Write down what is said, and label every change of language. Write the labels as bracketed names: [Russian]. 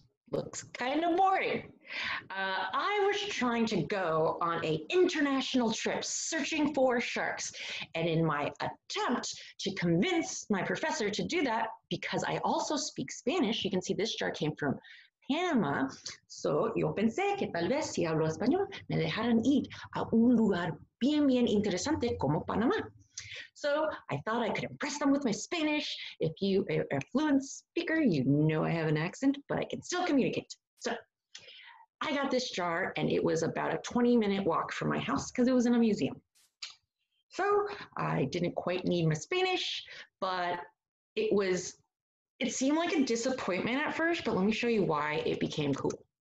[English] Looks kind of boring. I was trying to go on an international trip searching for sharks. And in my attempt to convince my professor to do that, because I also speak Spanish, you can see this jar came from Panama. [Spanish] So yo pensé que tal vez si hablo español, me dejaran ir a un lugar bien, bien interesante como Panamá. [English] So I thought I could impress them with my Spanish. If you are a fluent speaker, you know I have an accent, but I can still communicate. So I got this jar and it was about a 20-minute walk from my house because it was in a museum. So I didn't quite need my Spanish, but it seemed like a disappointment at first, but let me show you why it became cool.